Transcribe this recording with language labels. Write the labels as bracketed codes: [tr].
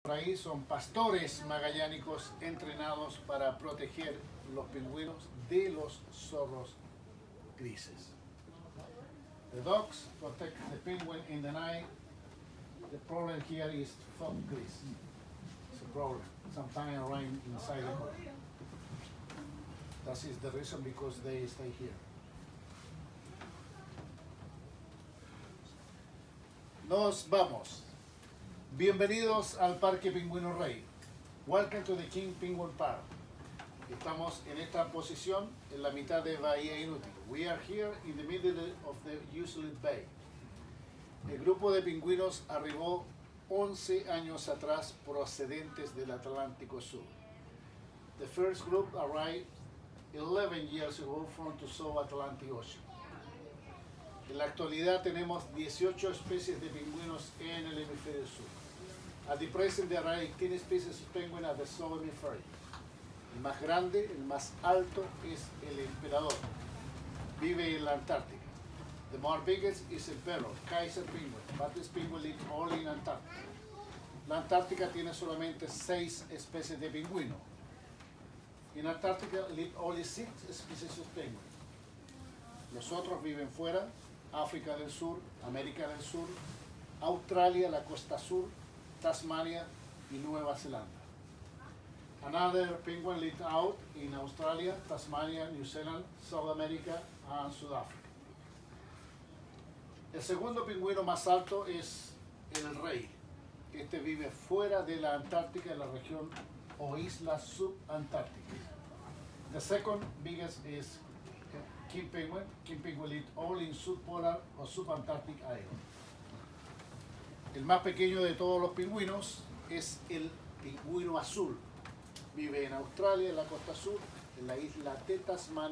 [es] país son pastores magallánicos entrenados para proteger los pingüinos de los zorros grises. [en] The dogs protect the penguin in the night. The problem here is fog grease. It's a problem. Sometimes rain inside. That is the reason because they stay here. [es] Nos vamos. Bienvenidos al Parque Pingüino Rey. [en] Welcome to the King Penguin Park. [es] Estamos en esta posición en la mitad de Bahía Inútil. [en] We are here in the middle of the Usulet Bay. [es] El grupo de pingüinos arribó 11 años atrás procedentes del Atlántico Sur. [en] The first group arrived 11 years ago from the South Atlantic Ocean. [es] En la actualidad tenemos 18 especies de pingüinos en el hemisferio sur. [en] At the present there are 18 species of penguins at the South Hemisphere. [es] El más grande, el más alto, es el emperador. Vive en la Antártica. [en] The more biggest is el perro, Kaiser Penguin, but this penguin lives only in Antarctica. [es] La Antártica tiene solamente 6 especies de pingüino. [en] In Antarctica live only 6 species of penguins. [es] Los otros viven fuera, África del Sur, América del Sur, Australia, la costa sur, Tasmania y Nueva Zelanda. [en] Another penguin lives out in Australia, Tasmania, New Zealand, South America and South Africa. [es] El segundo pingüino más alto es el rey. Este vive fuera de la Antártica, en la región o isla subantártica. [en] The second biggest is King Penguin. King Penguin lives only in subpolar or subantarctic island. [es] El más pequeño de todos los pingüinos es el pingüino azul. Vive en Australia, en la costa sur, en la isla de Tasmania.